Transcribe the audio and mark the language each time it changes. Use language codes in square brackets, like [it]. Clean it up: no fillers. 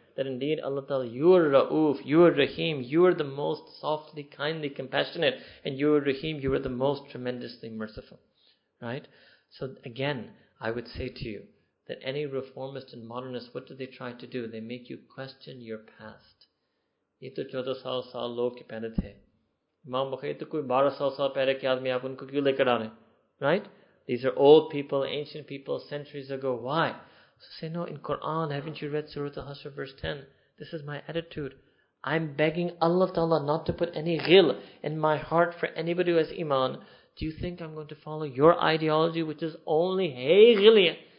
[en] That indeed Allah ta'ala, you are rauf, you are rahim, you are the most softly, kindly, compassionate. And you are rahim, you are the most tremendously merciful. Right? So again, I would say to you, that any reformist and modernist, what do they try to do? They make you question your past. [hi] ये तो 1400 साल लोग के पहले थे। Imam Bukhari, तो कोई 1200 साल पहले के आदमी, आप उनको क्यों लेकर आ रहे? [en] Right? These are old people, ancient people, centuries ago. Why? So say, no, in Quran, haven't you read Surah Al-Hashr, verse 10? This is my attitude. I'm begging Allah Ta'ala not to put any ghil in my heart for anybody who has iman. Do you think I'm going to follow your ideology, which is only hey ghiliyah,